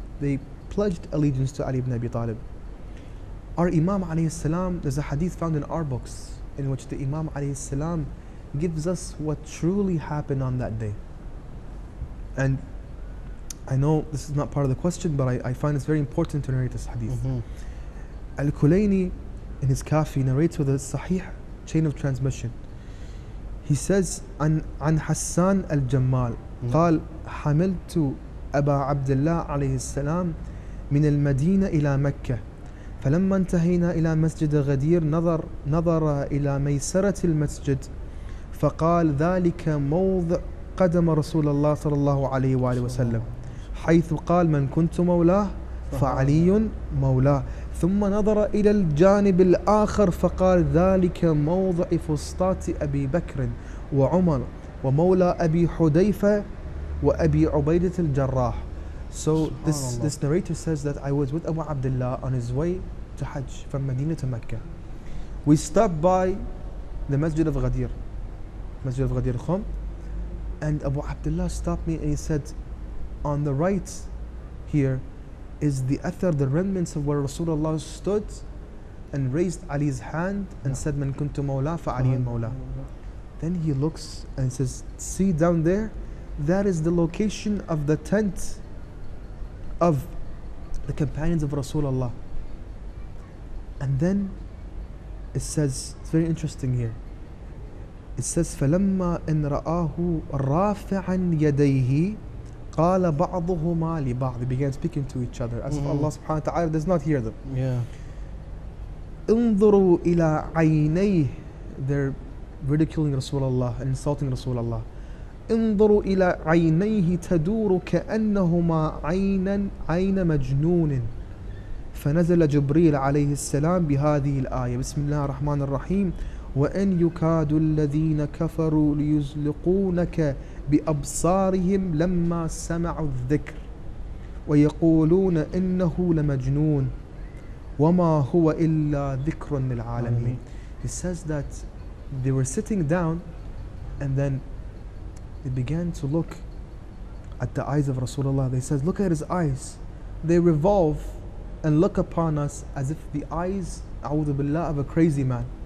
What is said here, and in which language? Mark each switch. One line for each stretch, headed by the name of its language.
English: They pledged allegiance to Ali ibn Abi Talib. Our Imam alayhi salam, there's a hadith found in our books in which the Imam alayhi salam gives us what truly happened on that day. And I know this is not part of the question, but I find it's very important to narrate this hadith. Al-Kulayni in his Kafi narrates with a sahih chain of transmission. He says,
Arabic: عن حسان الجمال قال حملت أبا عبد الله عليه السلام من المدينة إلى مكة فلما انتهينا إلى مسجد غدير نظر إلى ميسرة المسجد فقال ذلك موضع قدم رسول الله صلى الله عليه وآله وسلم حيث قال من كنت مولاه فعلي مولاه ثم نظر إلى الجانب الآخر فقال ذلك موضع فسطاط أبي بكر وعمر ومولى أبي حذيفة وأبي عبيدة الجراح.
English: So this narrator says that I was with Abu Abdullah on his way to Hajj from Medina to Mecca. We stopped by the Masjid of Ghadir, Masjid of Ghadeer Khum, and Abu Abdullah stopped me and he said, on the right here is the athar, the remnants of where Rasulullah stood and raised Ali's hand and said,
Arabic: من كنت مولا فعلي مولا.
English: Then he looks and says, see down there, that is the location of the tent of the companions of Rasulullah. And then it says, it's very interesting here, it says,
Arabic: فَلَمَّا إِنْ رَآهُ رَافِعًا يَدَيْهِ قال بعضهما لبعض.
English: They began speaking to each other as if Allah subhanahu wa ta'ala does not hear them. Yeah.
Arabic: انظروا إلى عينيه.
English: Their ridiculing Rasulullah, insulting Rasulullah.
Arabic: انظروا إلى عينيه تدور كأنهما عينا عين مجنون فنزل جبريل عليه السلام بهذه الآية بسم الله الرحمن الرحيم وإن يكاد الذين كفروا ليزلقونك بأبصارهم لما سمعوا الذكر ويقولون إنه لمجنون وما هو إلا ذكر للعالمين.
English: He says that they were sitting down and then they began to look at the eyes of Rasulullah. They says, look at his eyes. They revolve and look upon us as if the eyes, a'udhu billah, of a crazy man.